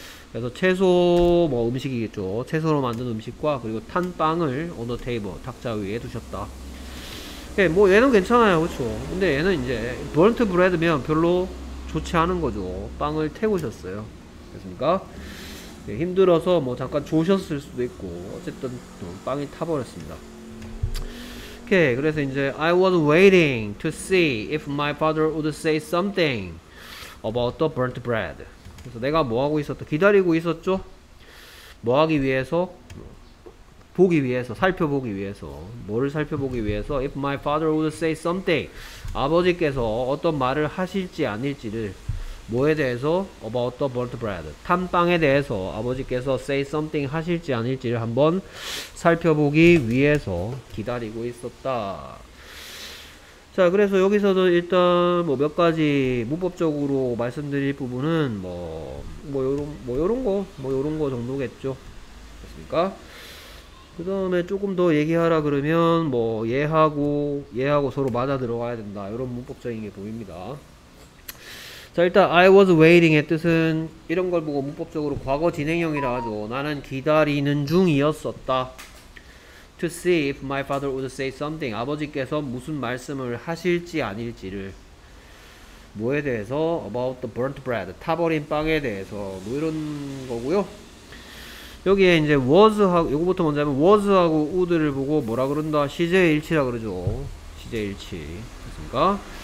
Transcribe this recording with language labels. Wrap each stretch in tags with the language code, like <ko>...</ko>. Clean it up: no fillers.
<ko>그래서 채소 뭐 음식이겠죠. 채소로 만든 음식과 그리고 탄 빵을</ko> <en>on the table</en> <ko>탁자 위에 두셨다. 예, 뭐 얘는 괜찮아요, 그렇죠? 근데 얘는 이제</ko> <en>burnt bread</en> <ko>면 별로 좋지 않은 거죠. 빵을 태우셨어요. 됐습니까? 예, 힘들어서 뭐 잠깐 조셨을 수도 있고 어쨌든 빵이 타버렸습니다. 오케이, 그래서 이제</ko> <en>I was waiting to see if my father would say something about the burnt bread.</en> <ko>그래서 내가 뭐 하고 있었다? 기다리고 있었죠? 뭐 하기 위해서? 보기 위해서, 살펴보기 위해서. 뭐를 살펴보기 위해서?</ko> <en>If my father would say something,</en> <ko>아버지께서 어떤 말을 하실지 아닐지를, 뭐에 대해서?</ko> <en>About the burnt bread,</en> <ko>탄 빵에 대해서 아버지께서</ko> <en>say something</en> <ko>하실지 아닐지를 한번 살펴보기 위해서 기다리고 있었다. 자, 그래서 여기서도 일단 뭐몇 가지 문법적으로 말씀드릴 부분은 뭐 요런 거 정도겠죠. 됐습니까? 그 다음에 조금 더 얘기하라 그러면 뭐 얘하고 서로 맞아 들어가야 된다. 요런 문법적인 게 보입니다. 자, 일단</ko> <en>I was waiting</en> <ko>의 뜻은 이런 걸 보고 문법적으로 과거 진행형이라 하죠. 나는 기다리는 중이었었다.</ko> <en>To see if my father would say something.</en> <ko>아버지께서 무슨 말씀을 하실지 아닐지를. 뭐에 대해서?</ko> <en>About the burnt bread.</en> <ko>타버린 빵에 대해서. 뭐 이런 거고요. 여기에 이제 was하고, 요거부터 먼저 하면 was하고 would를 보고 뭐라 그런다? 시제일치라 그러죠. 시제일치. 됐습니까?</ko>